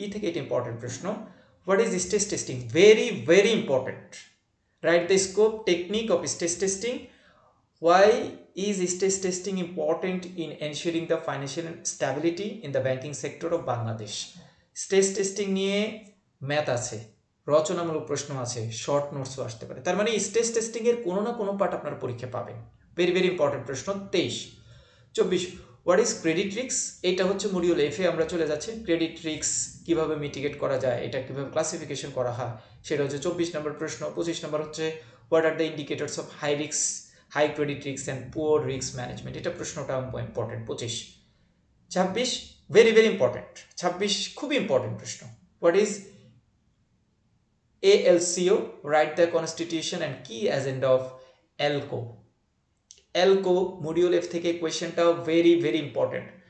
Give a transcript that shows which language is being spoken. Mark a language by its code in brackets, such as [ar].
[bn] Eta ke important prashno. [en] What is stress testing? Very important. Write the scope technique of stress testing. Why is stress testing important in ensuring the financial stability in the banking sector of Bangladesh? [bn] Stress testing niye math ache. রচনামূলক প্রশ্ন আছে, short নোটসও আসতে পারে, তার মানে stress testing এর কোনো না কোনো পার্ট আপনার পরীক্ষা পাবেন। ভেরি ইম্পর্টেন্ট প্রশ্ন 23। 24 [en] what is credit risk, [bn] এটা হচ্ছে মডিউল এফ এ আমরা চলে যাচ্ছি। ক্রেডিট রিস্ক কিভাবে মিটিগেট করা যায়, এটা কিভাবে ক্লাসিফিকেশন করা হয় সেটা হচ্ছে 24 নম্বর প্রশ্ন। 25 নম্বর হচ্ছে [en] what are the indicators of high risk, high credit risk and poor risk management, [bn] এটা প্রশ্নটা ইম্পর্টেন্ট। [en] 25 26 very important, 26 [bn] খুবই ইম্পর্টেন্ট প্রশ্ন, [en] What is ALCO, write the constitution and key agenda of ALCO. ALCO module F theke question ta very important.